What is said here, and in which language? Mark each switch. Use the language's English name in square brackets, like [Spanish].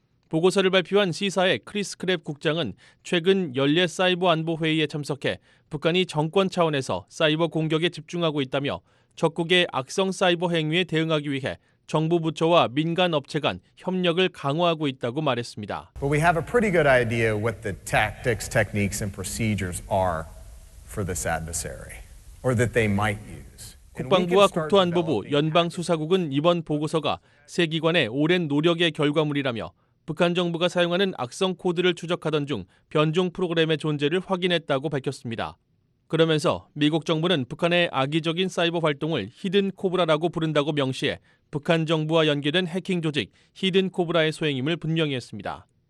[Korean] 보고서를 발표한 시사의 크리스 크랩 국장은 최근 연례 사이버 안보 회의에 참석해 북한이 정권 차원에서 사이버 공격에 집중하고 있다며 적국의 악성 사이버 행위에 대응하기 위해 정부 부처와 민간 업체 간 협력을 강화하고 있다고 말했습니다. [English] But we have a pretty good idea what the tactics, techniques and procedures are for this adversary or that they might use. [Korean] 국방부와 국토안보부, 연방수사국은 이번 보고서가 세 기관의 오랜 노력의 결과물이라며 북한 정부가 사용하는 악성 코드를 추적하던 중 변종 프로그램의 존재를 확인했다고 밝혔습니다. 그러면서 미국 정부는 북한의 악의적인 사이버 활동을 히든 코브라라고 부른다고 명시해 북한 정부와 연계된 해킹 조직 히든 코브라의 소행임을 분명히 했습니다.